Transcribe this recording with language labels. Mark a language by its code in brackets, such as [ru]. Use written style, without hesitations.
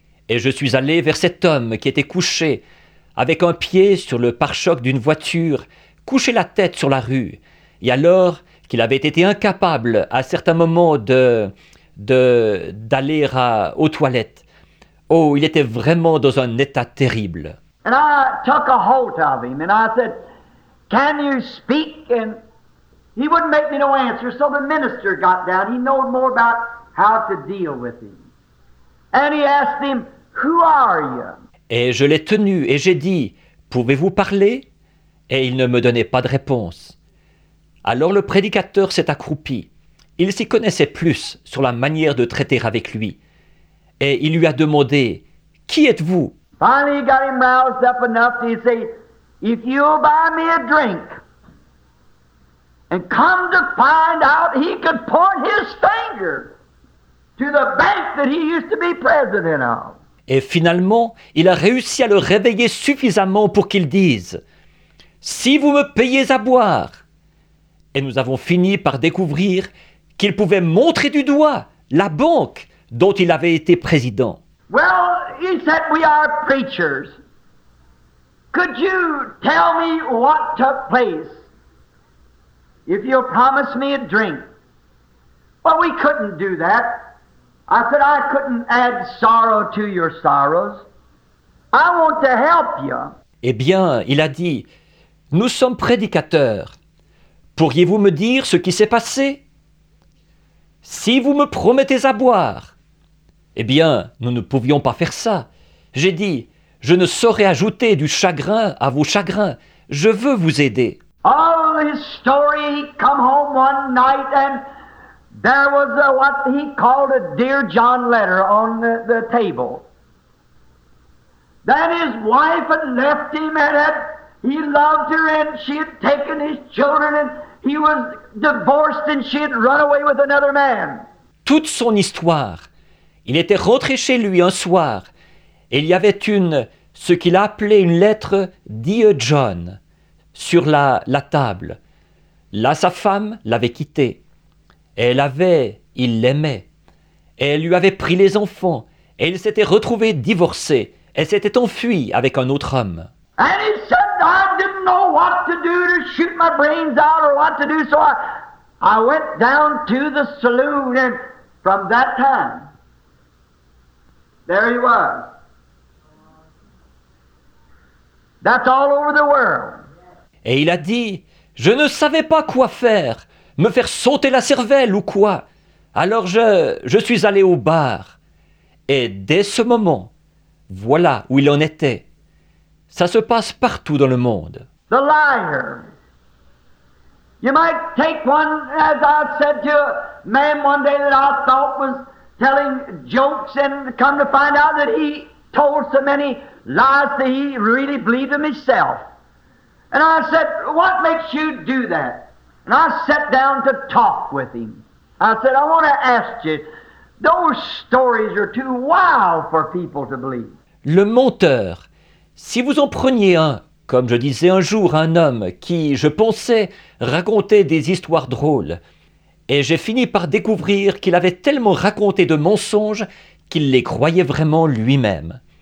[fr] Et je suis allé vers cet homme qui était couché, avec un pied sur le pare-choc d'une voiture, couché la tête sur la rue, et alors qu'il avait été incapable à certains moments d'aller aux toilettes. Oh, il était vraiment dans un état terrible. [en] And I took a hold of him and I said, can you speak? And he wouldn't make me no answer, so the minister got down. He knew more about how to deal with him. And he asked him, who are you? [fr] Et je l'ai tenu et j'ai dit, pouvez-vous parler? Et il ne me donnait pas de réponse. Alors le prédicateur s'est accroupi. Il s'y connaissait plus sur la manière de traiter avec lui. Et il lui a demandé, qui êtes-vous? [en] Finally, he got him roused up enough to say, if you'll buy me a drink and come to find out, he could point his finger to the bank that he used to be president of. [fr] Et finalement, il a réussi à le réveiller suffisamment pour qu'il dise, si vous me payez à boire. Et nous avons fini par découvrir qu'il pouvait montrer du doigt la banque dont il avait été président. [en] Well, he said, we are preachers. Could you tell me what took place if you'll promise me a drink? Well, we couldn't do that. I said, I couldn't add sorrow to your sorrows. I want to help you. [fr] Eh bien, il a dit, nous sommes prédicateurs. Pourriez-vous me dire ce qui s'est passé? Si vous me promettez à boire. Eh bien, nous ne pouvions pas faire ça. J'ai dit, je ne saurais ajouter du chagrin à vos chagrins. Je veux vous aider. [en] All his story, he come home one night and there was a, what he called a Dear John letter on the table. Then his wife had left him and had, he loved her and she had taken his children and he was divorced and she had run away with another man. [fr] Toute son histoire. Il était rentré chez lui un soir et il y avait une, ce qu'il a appelé une lettre « [en] Dear John [fr] » sur la table. Là, sa femme l'avait quitté. Elle avait, il l'aimait. Elle lui avait pris les enfants et il s'était retrouvé divorcé. Elle s'était enfuie avec un autre homme. [en] And he said, I didn't know what to do to shoot my brains out or what to do, so I went down to the saloon and from that time, there he was. That's all over the world. [fr] Et il a dit, je ne savais pas quoi faire, me faire sauter la cervelle ou quoi. Alors je suis allé au bar. Et dès ce moment, voilà où il en était. Ça se passe partout dans le monde. [en] The liar. You might take one, as I said to a man one day that I thought was telling jokes and come to find out that he told so many lies that he really believed in himself. And I said, what makes you do that? And I sat down to talk with him. I said, I want to ask you, those stories are too wild for people to believe. [fr] Le menteur, si vous en preniez un, comme je disais un jour à un homme qui, je pensais, racontait des histoires drôles, et j'ai fini par découvrir qu'il avait tellement raconté de mensonges qu'il les croyait vraiment lui-même.